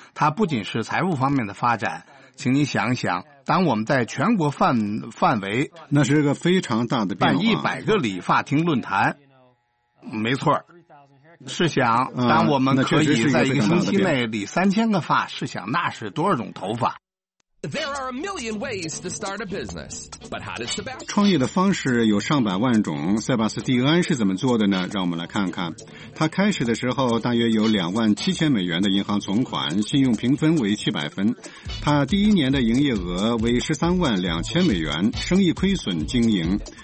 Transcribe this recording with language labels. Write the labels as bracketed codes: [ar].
[zh] 它不仅是财务方面的发展，请你想想，当我们在全国范围，那是个非常大的办100个理发厅论坛，没错。试想，当我们可以在一个星期内理3000个发，试想那是多少种头发。 [en] There are a million ways to start a business, but how does the best? [zh] 创业的方式有上百万种，塞巴斯蒂安是怎么做的呢？让我们来看看。他开始的时候大约有27000美元的银行存款，信用评分为700分。他第一年的营业额为132000美元，生意亏损经营。